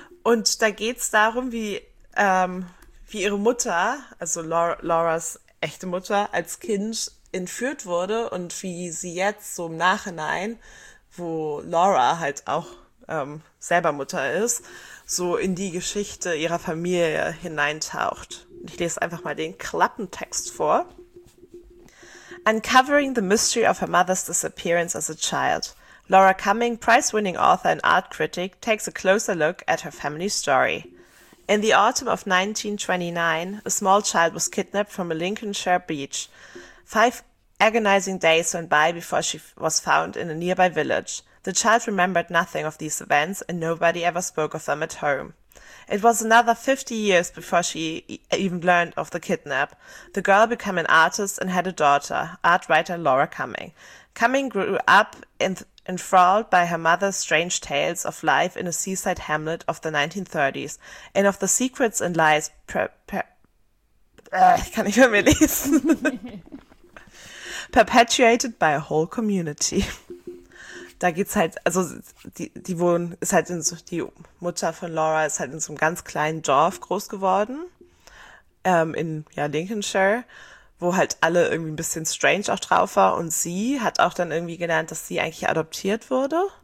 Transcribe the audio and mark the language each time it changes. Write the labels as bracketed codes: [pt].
[de] Und da geht es darum, wie ihre Mutter, also Lauras echte Mutter, als Kind entführt wurde und wie sie jetzt so im Nachhinein, wo Laura halt auch selber Mutter ist, so in die Geschichte ihrer Familie hineintaucht. Ich lese einfach mal den Klappentext vor. [en] Uncovering the mystery of her mother's disappearance as a child, Laura Cumming, prize-winning author and art critic, takes a closer look at her family story. In the autumn of 1929, a small child was kidnapped from a Lincolnshire beach. 5 agonizing days went by before she was found in a nearby village. The child remembered nothing of these events, and nobody ever spoke of them at home. It was another 50 years before she even learned of the kidnap. The girl became an artist and had a daughter, art writer Laura Cumming. Cumming grew up enthralled by her mother's strange tales of life in a seaside hamlet of the 1930s and of the secrets and lies I can't even read. Perpetuated by a whole community. [de] Da geht's halt, also die wohnen, ist halt in so, die Mutter von Laura ist halt in so einem ganz kleinen Dorf groß geworden, in ja, Lincolnshire, wo halt alle irgendwie ein bisschen strange auch drauf war. Und sie hat auch dann irgendwie gelernt, dass sie eigentlich adoptiert wurde.